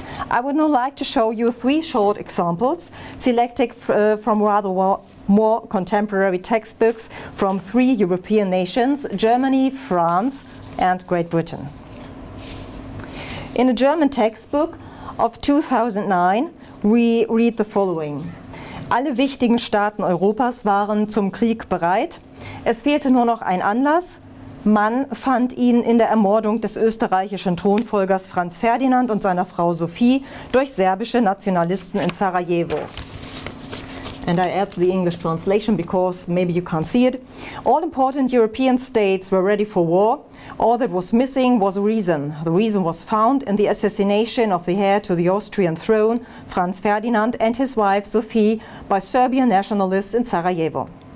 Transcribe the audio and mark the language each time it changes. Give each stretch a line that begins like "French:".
English: I would now like to show you three short examples selected from rather more contemporary textbooks from three European nations, Germany, France, and Great Britain. In a German textbook of 2009, we read the following.
German: Alle wichtigen Staaten Europas waren zum Krieg bereit. Es fehlte nur noch ein Anlass. Man fand ihn in der Ermordung des österreichischen Thronfolgers Franz Ferdinand und seiner Frau Sophie durch serbische Nationalisten in Sarajevo.
English: And I add the English translation because maybe you can't see it. All important European states were ready for war. All that was missing was a reason. The reason was found in the assassination of the heir to the Austrian throne, Franz Ferdinand, and his wife Sophie by Serbian nationalists in Sarajevo.